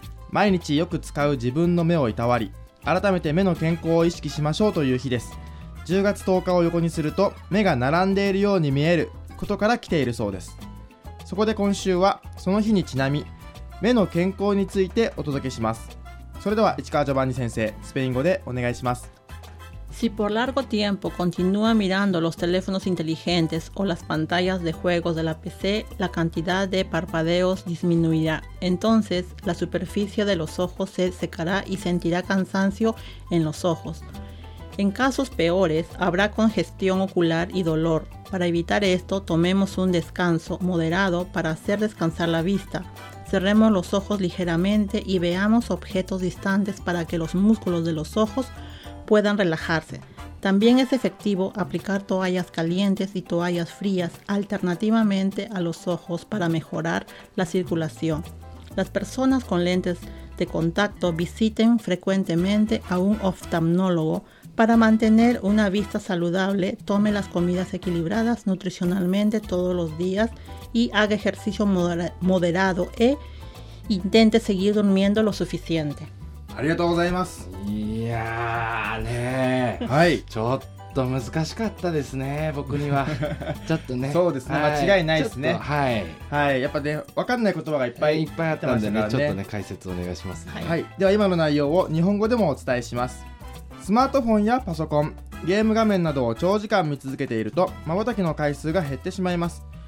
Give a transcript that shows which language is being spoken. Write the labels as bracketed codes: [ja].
[ja] 毎日よく使う自分の目をいたわり、改めて目の健康を意識しましょうという日です。 10月10日を横にすると目が並んでいるように見えることから来ているそうです。そこで今週はその日にちなみ、目の健康についてお届けします。それでは市川ジョバンニ先生、スペイン語でお願いします。 [es] Si por largo tiempo continúa mirando los teléfonos inteligentes o las pantallas de juegos de la PC, la cantidad de parpadeos disminuirá. Entonces, la superficie de los ojos se secará y sentirá cansancio en los ojos. En casos peores, habrá congestión ocular y dolor. Para evitar esto, tomemos un descanso moderado para hacer descansar la vista. Cerremos los ojos ligeramente y veamos objetos distantes para que los músculos de los ojos puedan relajarse. También es efectivo aplicar toallas calientes y toallas frías alternativamente a los ojos para mejorar la circulación. Las personas con lentes de contacto visiten frecuentemente a un oftalmólogo. Para mantener una vista saludable, tome las comidas equilibradas nutricionalmente todos los días y haga ejercicio moderado e intente seguir durmiendo lo suficiente. [ja] ありがとうございます。いやーねー、はい、ちょっと難しかったですね、僕にはちょっとね、そうですね、はい、間違いないですね、はい、はい、やっぱね、分かんない言葉がいっぱいいっぱいあったんでね、ちょっとね、解説お願いします、ね、はい、はい、では今の内容を日本語でもお伝えします。スマートフォンやパソコン、ゲーム画面などを長時間見続けていると、まばたきの回数が減ってしまいます。